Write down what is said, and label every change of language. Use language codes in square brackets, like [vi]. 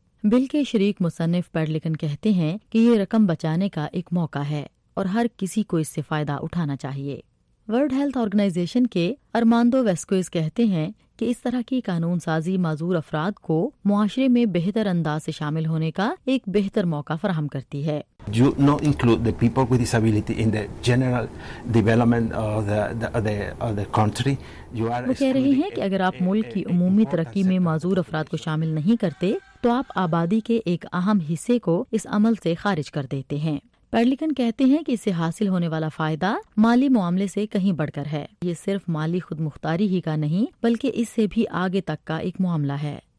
[ur] بل کے شریک مصنف پیڈلیکن کہتے ہیں کہ یہ رقم بچانے کا ایک موقع ہے اور ہر کسی کو اس سے فائدہ اٹھانا چاہیے۔ ورلڈ ہیلتھ آرگنائزیشن کے ارماندو ویسکوئز کہتے ہیں کہ اس طرح کی قانون سازی معذور افراد کو معاشرے میں بہتر انداز سے شامل ہونے کا ایک بہتر موقع فراہم کرتی ہے۔ [en] You not include the people with disability in the general development of the country. You are [ur] وہ کہہ رہی ہیں کہ اگر آپ ملک کی عمومی ترقی میں معذور افراد کو شامل نہیں کرتے تو آپ آبادی کے ایک اہم حصے کو اس عمل سے خارج کر دیتے ہیں۔ پیڈلیکن کہتے ہیں کہ اسے حاصل ہونے والا فائدہ مالی معاملے سے کہیں بڑھ کر ہے۔ یہ صرف مالی خود مختاری ہی کا نہیں بلکہ اس سے بھی آگے تک کا ایک معاملہ ہے۔